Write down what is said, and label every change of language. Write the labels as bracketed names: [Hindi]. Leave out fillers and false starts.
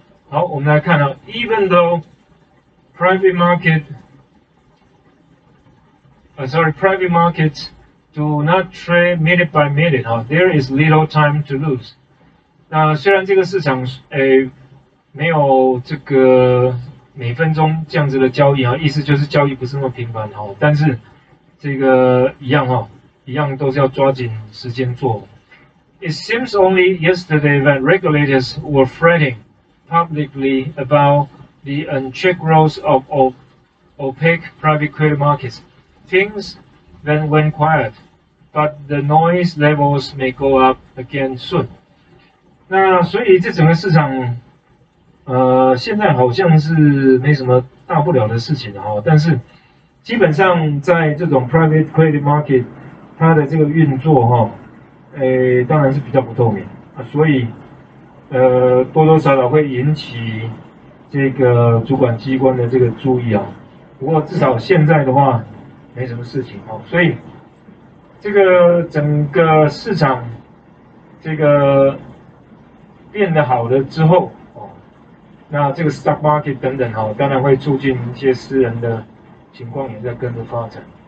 [Chinese] 好，我们来看啊 [English] ，even though private market， private markets do not trade minute by minute 啊 ，there is little time to lose。 [Chinese] 那虽然这个市场没有这个每分钟这样子的交易啊，意思就是交易不是那么频繁哦，但是这个一样哈，一样都是要抓紧时间做。 [English] It seems only yesterday that regulators were fretting publicly about the unchecked growth of opaque private credit markets. Things then went quiet, but the noise levels may go up again soon. [Chinese] 那所以这整个市场现在好像是没什么大不了的事情哦，但是基本上在这种 private credit market 它的这个运作哦，当然是比较不透明，所以多多少少会引起这个主管机关的这个注意啊，不过至少现在的话没什么事情哦，所以这个整个市场这个变得好了之后，那这个 stock market 等等，当然会促进一些私人的情况也在跟着发展。